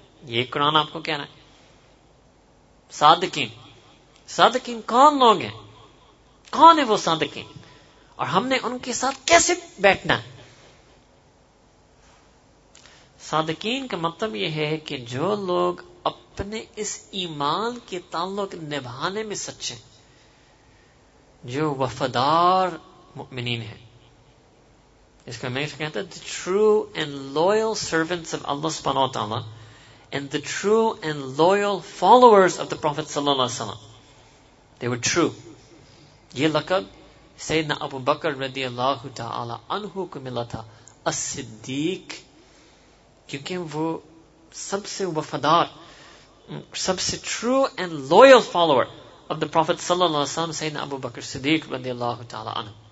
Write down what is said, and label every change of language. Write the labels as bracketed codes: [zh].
[ur] یہ قرآن آپ کو کہہ رہا ہے. صادقین, صادقین کون لوگ ہیں؟ کون ہے وہ صادقین اور ہم نے ان کے ساتھ کیسے بیٹھنا ہے؟ صادقین کا مطلب یہ ہے کہ جو لوگ اپنے اس ایمان کے تعلق نبھانے میں سچے, جو وفادار مؤمنین ہیں. اس کا میں کہتا ہوں [en] the true and loyal servants of Allah سبحانہ وتعالی and the true and loyal followers of the Prophet صلی اللہ علیہ وسلم, they were true. [ur] یہ لقب سیدنا ابو بکر رضی اللہ تعالی عنہ کو ملا تھا, الصدیق, کیونکہ وہ سب سے وفادار, سب سے [en] true and loyal follower of the prophet [ur] صلی اللہ علیہ وسلم سیدنا ابو بکر صدیق رضی اللہ تعالی عنہ.